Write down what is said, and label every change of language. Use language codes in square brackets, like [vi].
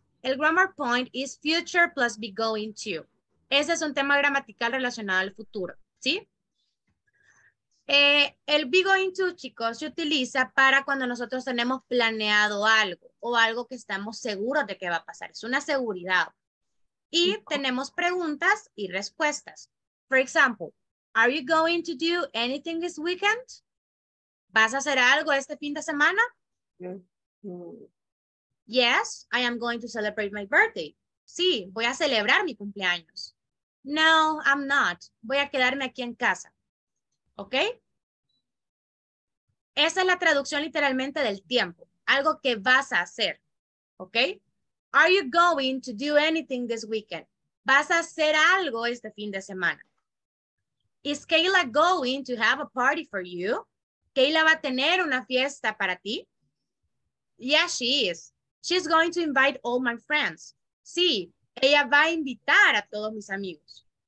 [es] El [en] grammar point is future plus be going to. [es] Ese es un tema gramatical relacionado al futuro, ¿sí? El be going to, chicos, se utiliza para cuando nosotros tenemos planeado algo o algo que estamos seguros de que va a pasar. Es una seguridad. Y tenemos preguntas y respuestas. [en] For example, are you going to do anything this weekend? [es] ¿Vas a hacer algo este fin de semana? [en] Yes, I am going to celebrate my birthday. [es] Sí, voy a celebrar mi cumpleaños. [en] No, I'm not. [es] Voy a quedarme aquí en casa. ¿Ok? Esa es la traducción literalmente del tiempo. Algo que vas a hacer. ¿Ok? [en] Are you going to do anything this weekend? [es] ¿Vas a hacer algo este fin de semana? [en] Is Kayla going to have a party for you? [es] ¿Kayla va a tener una fiesta para ti? [en] Yes, she is. She's going to invite all my friends. [es] Sí, ella va a invitar a todos mis amigos.